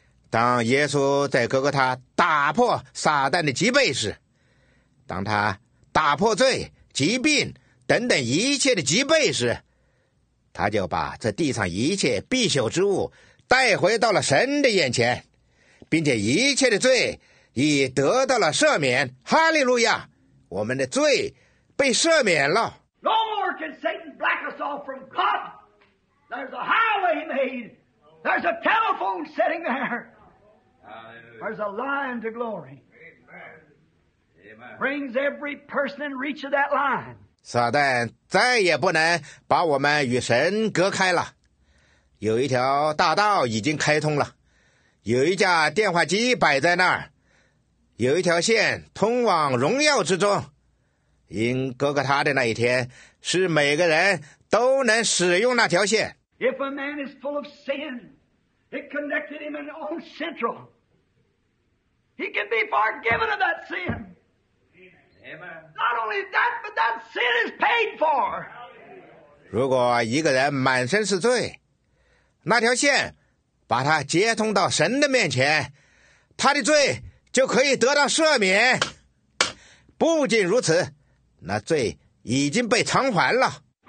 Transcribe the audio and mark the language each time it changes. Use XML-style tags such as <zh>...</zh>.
<zh>当耶稣在哥哥他打破撒旦的脊背时，当他打破罪、疾病等等一切的脊背时，他就把这地上一切必朽之物带回到了神的眼前，并且一切的罪已得到了赦免。哈利路亚，我们的罪被赦免了。</zh> <en>No more can Satan black us off from God. There's a highway made. There's a telephone sitting there. There's a line to glory. Amen. Brings every person in reach of that line.</en> <zh>撒旦再也不能把我们与神隔开了。有一条大道已经开通了，有一架电话机摆在那儿，有一条线通往荣耀之中。因哥哥他的那一天是每个人都能使用那条线。</zh> <en>If a man is full of sin, it connected him in his own central. He can be forgiven of that sin. Amen. Not only that, but that sin is paid for.</en> <zh>如果一个人满身是罪，那条线把他接通到神的面前，他的罪就可以得到赦免。不仅如此，那罪已经被偿还了。</zh>